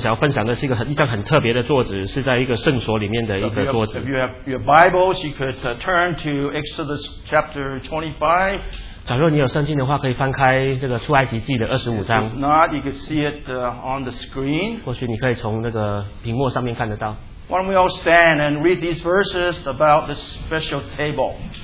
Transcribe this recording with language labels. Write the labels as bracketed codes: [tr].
[zh] 今天早上我们想要分享的是一个很特别的桌子, 是在一个圣所里面的一个桌子。 [en] If you have your Bibles, you could turn to Exodus chapter 25. [zh] 假如你有圣经的话, 可以翻开这个出埃及记的25章。 [en] If not, you could see it on the screen. [zh] 或许你可以从那个屏幕上面看得到。 [en] Why don't we all stand and read these verses about this special table?